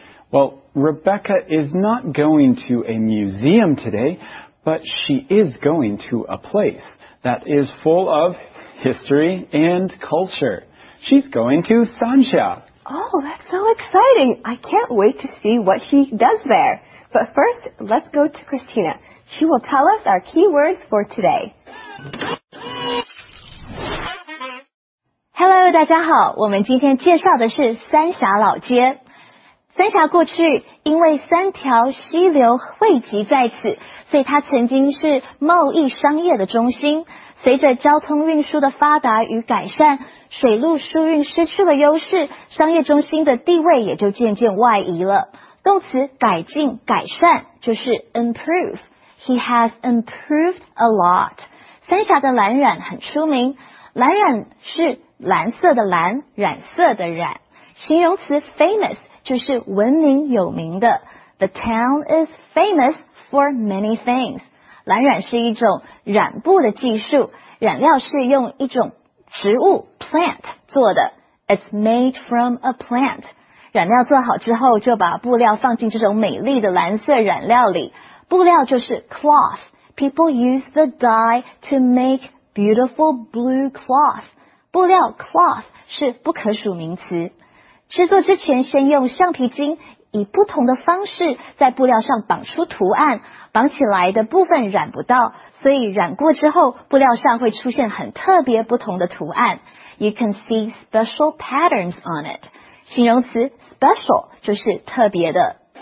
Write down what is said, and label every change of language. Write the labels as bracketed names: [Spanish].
[English] Well, Rebecca is not going to a museum today, but she is going to a place that is full of history and culture. She's going to Sansha. Oh, that's so exciting. I can't wait to see what she does there. But first, let's go to Christina. She will tell us our key words for today. Hello, [Chinese] 大家好，我们今天介绍的是三峡老街。三峡过去因为三条溪流汇集在此，所以它曾经是贸易商业的中心。随着交通运输的发达与改善，水路输运失去了优势，商业中心的地位也就渐渐外移了。动词改进改善就是 improve. [English] He has improved a lot. [Chinese] 三峡的蓝染很出名，蓝染是蓝色的蓝，染色的染。形容词 famous 就是闻名有名的。 [English] The town is famous for many things. [Chinese] 蓝染是一种染布的技术，染料是用一种植物 plant 做的。 [English] It's made from a plant. [Chinese] 染料做好之后，就把布料放进这种美丽的蓝色染料里。布料就是 cloth. [English] People use the dye to make beautiful blue cloth. [Chinese] 布料 cloth 是不可数名词。制作之前，先用橡皮筋以不同的方式在布料上绑出图案，绑起来的部分染不到，所以染过之后，布料上会出现很特别不同的图案。 [English] You can see special patterns on it. [Chinese] 形容词 special 就是特别的。